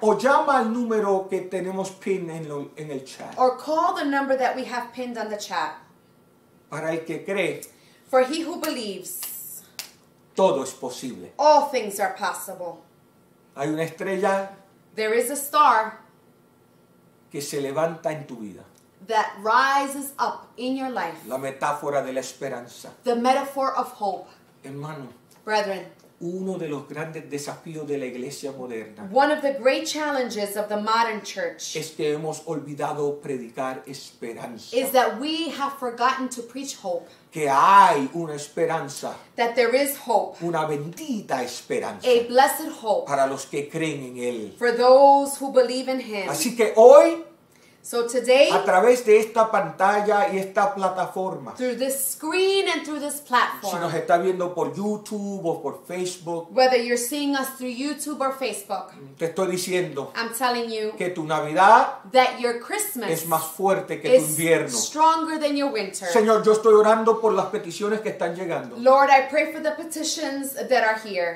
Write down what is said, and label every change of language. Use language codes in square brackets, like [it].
[es] O llama al número que tenemos pinned en el chat. [en] Or call the number that we have pinned on the chat. [es] Para el que cree. [en] For he who believes. [es] Todo es posible. [en] All things are possible. [es] Hay una estrella. [en] There is a star. [es] Que se levanta en tu vida. [en] That rises up in your life. [es] La metáfora de la esperanza. [en] The metaphor of hope. [es] Hermano. [en] Brethren. [es] Uno de los grandes desafíos de la iglesia moderna. [en] One of the great challenges of the modern church. [es] Es que hemos olvidado predicar esperanza. [en] Is that we have forgotten to preach hope. [es] Que hay una esperanza. [en] That there is hope. [es] Una bendita esperanza. [en] A blessed hope. [es] Para los que creen en él. [en] For those who believe in him. [es] Así que hoy. [en] So today, [es] a través de esta pantalla y esta plataforma, [en] through this screen and through this platform, [es] si nos está viendo por YouTube o por Facebook, [en] whether you're seeing us through YouTube or Facebook, [es] te estoy diciendo, [en] I'm telling you, [es] que tu Navidad, [en] that your Christmas, [es] es más fuerte que tu invierno, [en] is stronger than your winter. [es] Señor, yo estoy orando por las peticiones que están llegando. [en] Lord, I pray for the petitions that are here.